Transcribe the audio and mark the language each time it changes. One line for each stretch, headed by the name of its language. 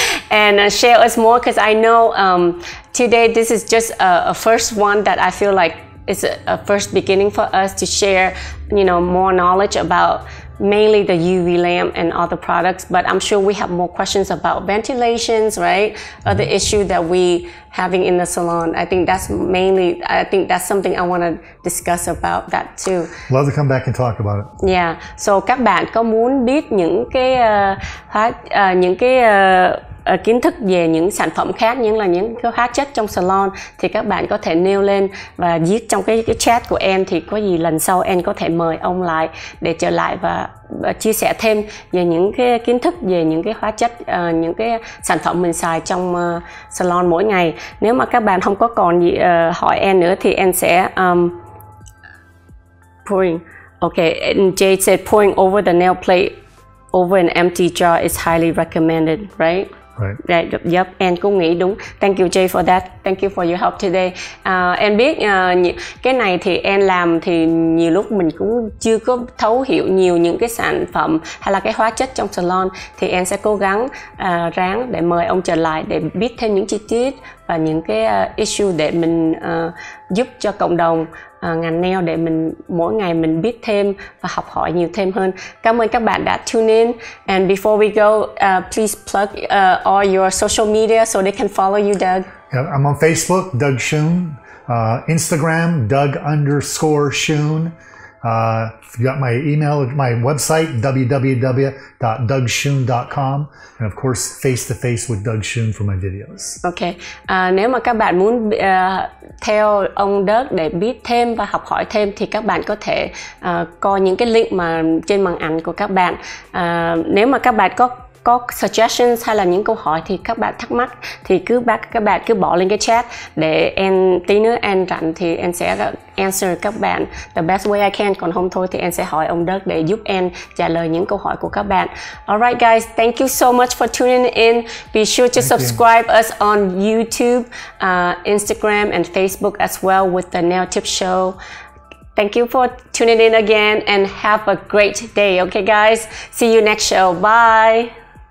English: And share us more, because I know today this is just a first one that I feel like it's a first beginning for us to share, you know, more knowledge about mainly the UV lamp and other products, but I'm sure we have more questions about ventilations, right? Other issue that we having in the salon. I think that's something I want to discuss about that too. Love to come back and talk about it. Yeah.
Vietnamese: So các bạn có muốn biết những cái kiến thức về những sản phẩm khác, như là những cái hóa chất trong salon, thì các bạn có thể nêu lên và viết trong cái chat của em, thì có gì lần sau em có thể mời ông lại để trở lại và chia sẻ thêm về những cái kiến thức về những cái hóa chất, những cái sản phẩm mình xài trong salon mỗi ngày. Nếu mà các bạn không có còn gì hỏi em nữa thì em sẽ pouring.
English: Okay, and Jay said pouring over the nail plate over an empty jar is highly recommended, right? Right. Right. Yep. And
Vietnamese: cũng nghĩ đúng.
English: Thank you Jay for that. Thank you for your help today.
Vietnamese: Em biết cái này thì em làm thì nhiều lúc mình cũng chưa có thấu hiểu nhiều những cái sản phẩm hay là cái hóa chất trong salon, thì em sẽ cố gắng ráng để mời ông trở lại để biết thêm những chi tiết và những cái issue để mình giúp cho cộng đồng ngành nail, để mình mỗi ngày mình biết thêm và học hỏi nhiều thêm hơn. Cảm ơn các bạn đã tune in.
English: And before we go, please plug all your social media so they can follow you, Doug. Yeah, I'm on Facebook, Doug Shoon. Instagram, Doug_Shoon. You got my email, my website, www.dougshoon.com, and of course face to face with Doug Shoon for my videos. Okay.
Vietnamese: Nếu mà các bạn muốn theo ông Doug để biết thêm và học hỏi thêm thì các bạn có thể coi những cái link mà trên màn ảnh của các bạn. Nếu mà các bạn có suggestions hay là những câu hỏi thì các bạn thắc mắc thì cứ bác các bạn cứ bỏ lên cái chat, để em tí nữa em rảnh thì em sẽ answer các bạn
English: the best way I can,
Vietnamese: còn không thôi thì em sẽ hỏi ông Đức để giúp em trả lời những câu hỏi của các bạn.
English: Alright guys, thank you so much for tuning in. Be sure to subscribe us on YouTube, Instagram and Facebook as well with the Nail Tip Show. Thank you for tuning in again, and have a great day. Okay, guys, see you next show. Bye.